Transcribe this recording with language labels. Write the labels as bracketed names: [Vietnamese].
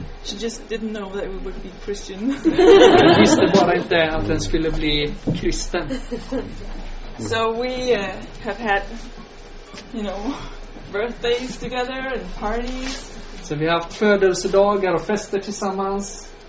[English] She just didn't know that we would be Christian. [Swedish] Hon visste bara inte att den skulle bli kristen. [English] So we have had, you know, birthdays together and parties. [Swedish] Så vi har haft födelsedagar och fester tillsammans.